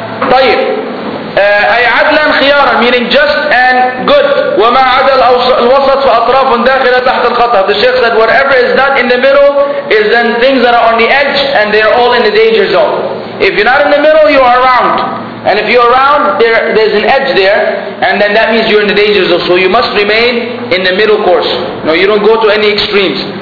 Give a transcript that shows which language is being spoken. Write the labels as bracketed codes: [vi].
[ar] طيب أي عدلا خيارا, [en] meaning just and good. [ar] وما عدل الوسط فأطراف داخلة تحت الخطأ. [en] The Sheikh said, whatever is not in the middle is then things that are on the edge, and they are all in the danger zone. If you're not in the middle, you are around. And if you're around, there's an edge there, and then that means you're in the danger zone. So you must remain in the middle course. No, you don't go to any extremes.